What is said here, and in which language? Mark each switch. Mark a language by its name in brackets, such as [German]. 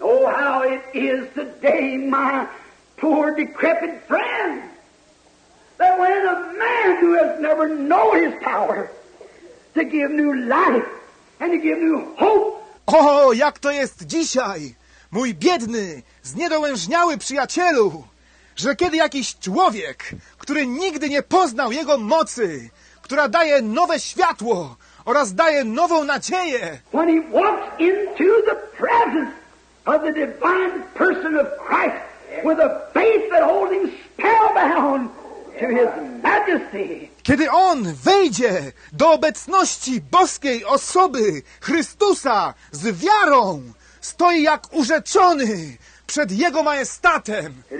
[English] Oh, how it is today, my poor decrepit friend, that when a man who has never known his power to give new life and to give new hope. [Polish] O, jak to jest dzisiaj, mój biedny, zniedołężniały przyjacielu, że kiedy jakiś człowiek, który nigdy nie poznał Jego mocy, która daje nowe światło oraz daje nową nadzieję, [English] when he walks into the presence of the divine person of Christ with a faith that holds him spellbound to his majesty. [Polish] Kiedy on wejdzie do obecności boskiej osoby Chrystusa z wiarą, stoi jak urzeczony przed Jego majestatem.